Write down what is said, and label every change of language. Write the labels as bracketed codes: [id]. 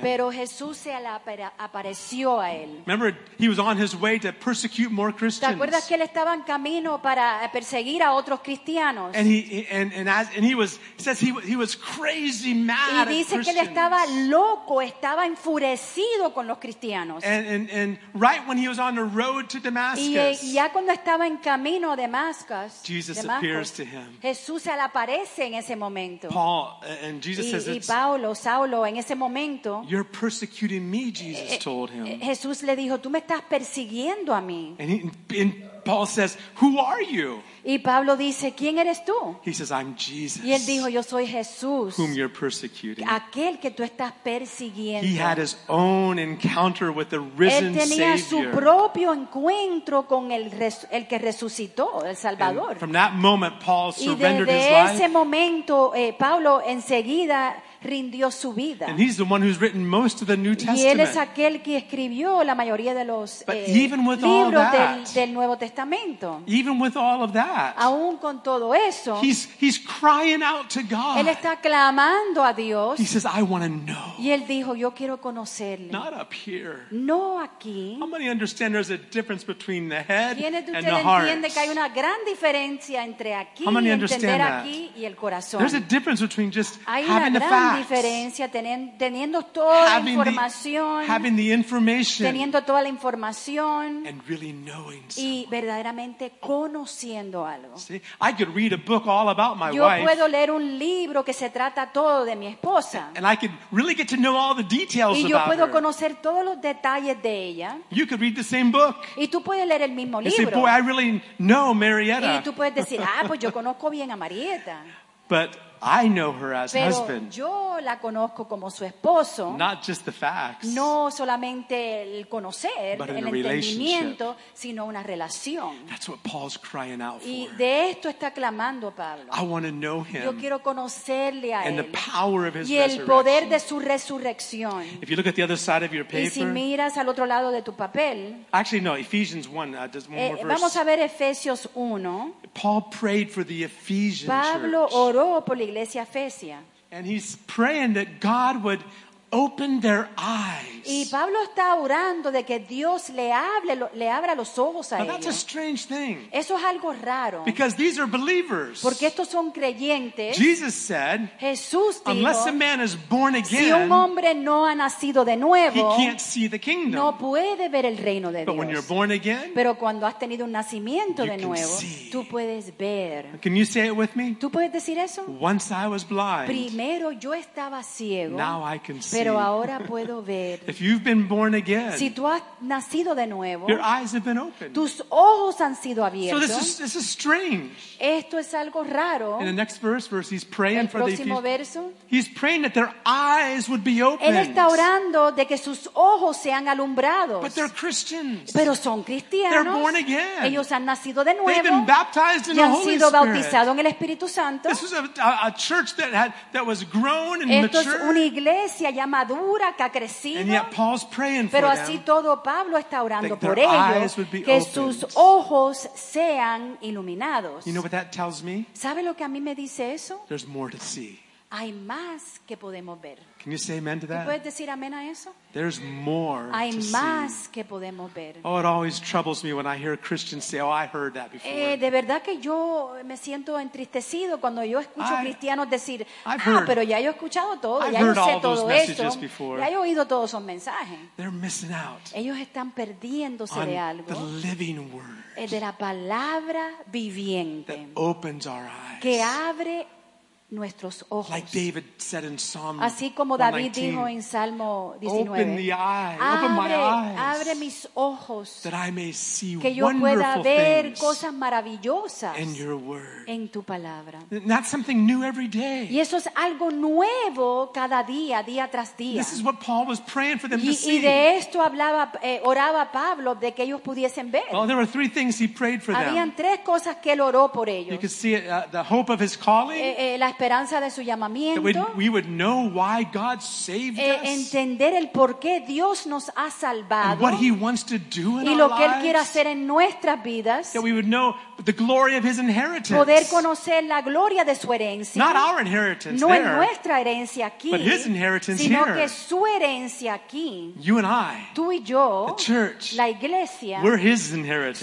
[es] Pero Jesús se apareció a él. [en] Remember, he was on his way to persecute more Christians. [es] ¿Te acuerdas que él estaba en camino para perseguir a otros cristianos? [en] And he was crazy mad at Christians. [es] Y dice que él estaba loco, estaba enfurecido con los cristianos. [en] And right when he was on the road to Damascus. [es] Y ya cuando estaba en camino a Damascus. [en] Jesus appears to him. [es] Jesús se le aparece en ese momento. [en] Paul and Jesus says [es] y Pablo, Saulo, en ese momento, [en] you're persecuting me, Jesus told him. [es] Jesús le dijo, tú me estás persiguiendo a mí. [en] And Paul says, who are you? [es] Y Pablo dice, ¿quién eres tú? [en] He says, I'm Jesus. [es] Y él dijo, yo soy Jesús. [en] Whom you're persecuting. [es] Aquel que tú estás persiguiendo. [en] He had his own encounter with the risen Savior. [es] Él tenía su propio encuentro con el que resucitó, el Salvador. [en] And from that moment, Paul surrendered his life. [es] Y desde ese momento, Pablo enseguida rindió su vida. [en] And he's the one who's written most of the New Testament. [es] Y él es aquel que escribió la mayoría de los libros del Nuevo Testamento. [en] Even with all of that. [es] Aún con todo eso. [en] He's crying out to God. [es] Él está clamando a Dios. [en] He says, I want to know. [es] Y él dijo, yo quiero conocerle. [en] Not up here. [es] No aquí. [en] How many understand there's a difference between the head and the heart? [es] ¿Quiénes de ustedes entienden que hay una gran diferencia entre aquí y entender aquí y el corazón? [en] There's a difference between just having the facts. [es] Diferencia teniendo toda la información, teniendo toda la información [en] really [es] y verdaderamente conociendo algo. [en] See, I could read a book all about my [es] yo [en] wife, [es] puedo leer un libro que se trata todo de mi esposa [en] and I could really get to know all the details [es] y yo [en] about [es] puedo [en] her. [es] Conocer todos los detalles de ella [en] you could read the same book. [es] Y tú puedes leer el mismo libro [en] say, boy, I really know Marietta. [es] Y tú puedes decir ah pues yo conozco bien a Marietta [en] but I know her as [es] pero [en] husband. [es] Yo la conozco como su esposo. [en] Not just the facts. [es] No solamente el conocer, [en] but [es] el entendimiento, sino una relación. [en] That's what Paul's crying out for. [es] Y de esto está clamando Pablo. [en] I want to know him. [es] Yo quiero conocerle a [en] and And the power of his [es] y el poder de su resurrección. [en] If you look at the other side of your paper. [es] Y si miras al otro lado de tu papel. [en] Actually, no. Ephesians 1. There's one more verse. [es] Vamos a ver Efesios 1. [en] Paul prayed for the Ephesian church. [es] Pablo oró por la iglesia efesia. [en] And he's praying that God would open their eyes. [es] Y Pablo está orando de que Dios le hable, le abra los ojos a ellos. [en] But that's a strange thing. [es] Eso es algo raro. [en] Because these are believers. [es] Porque estos son creyentes. [en] Jesus said, [es] Jesús dijo, [en] unless a man is born again, [es] si un hombre no ha nacido de nuevo, [en] he can't see the kingdom. [es] No puede ver el reino de [en] but [es] Dios. [en] When you're born again, [es] pero cuando has tenido un nacimiento de nuevo, [en] see. [es] Tú puedes ver. [en] Can you say it with me? [es] ¿Tú puedes decir eso? [en] Once I was blind, [es] primero yo estaba ciego, [en] now I can see. [es] Pero ahora puedo ver. [en] If you've been born again, [es] si tú has nacido de nuevo, [en] your eyes have been opened. [es] Tus ojos han sido abiertos. [en] So this is strange. [es] Esto es algo raro. [en] In the next verse, he's praying [es] el próximo [en] for the, [es] verso, [en] he's praying that their eyes would be opened. [es] Él está orando de que sus ojos sean alumbrados. [en] But they're Christians. [es] Pero son cristianos. [en] They're born again. [es] Ellos han nacido de nuevo. [en] They've been baptized in [es] y han [en] the [es] sido [en] Holy [es] bautizados En el Espíritu Santo. [en] This is a church that was grown and [es] esto [en] matured. [es] Es una iglesia ya madura que ha crecido. [en] And yet Paul's praying for [es] pero así [en] them, [es] todo Pablo está orando [en] that [es] por [en] their [es] ellos [en] eyes would be [es] que [en] opened. [es] Sus ojos sean iluminados. [en] You know what that tells me? [es] ¿Sabe lo que a mí me dice eso? [en] There's more to see. [es] Hay más que podemos ver. [en] Can you say amen to that? [es] ¿Puedes decir amén a eso? [en] There's more to see. [es] Hay más que podemos ver. [en] Oh, it always troubles me when I hear Christians say, "Oh, I heard that before." [es] De verdad que yo me siento entristecido cuando yo escucho cristianos decir, "Ah, pero ya yo he escuchado todo, ya yo sé todo esto, ya he oído todos esos mensajes." [en] They're missing out. [es] Ellos están perdiéndose de algo. [en] The living word. [es] De la palabra viviente. [en] That opens our eyes. [es] Que abre nuestros ojos. [en] Like David said in Psalm [es] así como David [en] 119, [es] dijo en Salmo 19. [en] Open the eye, open my eyes, [es] abre mis ojos [en] that I may see [es] que yo [en] wonderful [es] pueda ver [en] things [es] cosas maravillosas [en] in your word. [es] En tu palabra. [en] And that's something new every day. [es] Y eso es algo nuevo cada día, día tras día. [en] This is what Paul was praying for them to see. [es] Y de esto hablaba, oraba Pablo de que ellos pudiesen ver. [en] Well, there were three things he prayed for [es] habían [en] them. [es] Tres cosas que él oró por ellos. [en] You can see it, the hope of his calling. [es] Esperanza de su llamamiento. [en] We would know why God saved us. [es] Entender el por qué Dios nos ha salvado. [en] And what he wants to do in [es] y lo [en] our [es] que Él [en] lives. [es] Quiere hacer en nuestras vidas. [en] That we would know the glory of his inheritance. [es] Poder conocer la gloria de su herencia. [en] Not our inheritance [es] no [en] there, [es] en nuestra herencia aquí. [en] But his inheritance [es] sino [en] here. [es] Que su herencia aquí. [en] You and I. [es] Tú y yo. [en] The church. [es] La iglesia. [en] We're his inheritance.